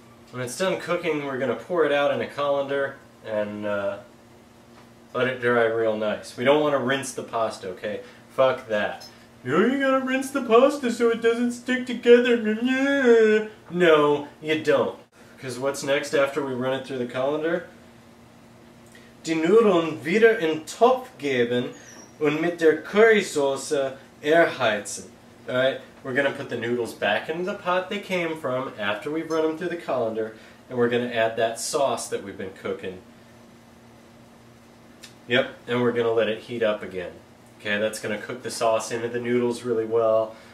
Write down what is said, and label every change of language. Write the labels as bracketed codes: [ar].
[en] When it's done cooking, we're gonna pour it out in a colander and let it dry real nice. We don't wanna rinse the pasta, okay? Fuck that. No, you gotta rinse the pasta so it doesn't stick together. No, you don't. Because what's next after we run it through the colander? [de] Die Nudeln wieder in Topf geben und mit der Currysoße erheizen. [en] Alright, we're going to put the noodles back into the pot they came from after we've run them through the colander, and we're going to add that sauce that we've been cooking. Yep, and we're going to let it heat up again. Okay, that's going to cook the sauce into the noodles really well.